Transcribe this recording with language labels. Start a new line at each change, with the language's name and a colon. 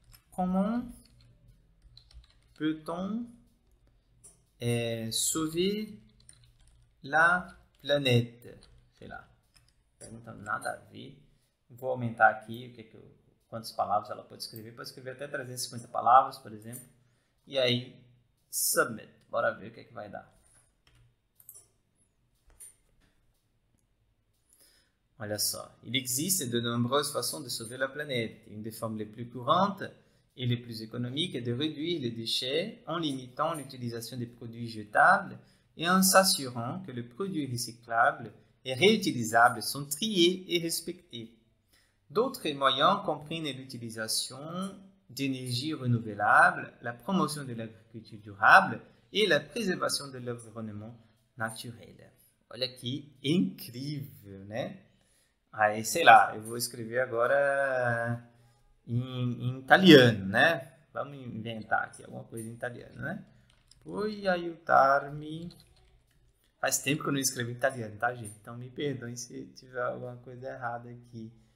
French: Comment peut-on sauver la planète?
Portuguese: Sei lá. Pergunta nada a ver. Vou aumentar aqui quantas palavras ela pode escrever. Pode escrever até 350 palavras, por exemplo. E aí, submit. Bora ver o que é que vai dar. Olha só,
French: il existe de nombreuses façons de sauver la planète. Une des formes les plus courantes et les plus économiques est de réduire les déchets en limitant l'utilisation des produits jetables et en s'assurant que les produits recyclables et réutilisables sont triés et respectés. D'autres moyens comprennent l'utilisation d'énergies renouvelables, la promotion de l'agriculture durable et la préservation de l'environnement naturel.
Portuguese: Olha que incrível, né? Aí, sei lá, eu vou escrever agora em italiano, né? Vamos inventar aqui alguma coisa em italiano, né?
Italian: Puoi aiutarmi.
Portuguese: Faz tempo que eu não escrevo em italiano, tá, gente? Então me perdoem se tiver alguma coisa errada aqui.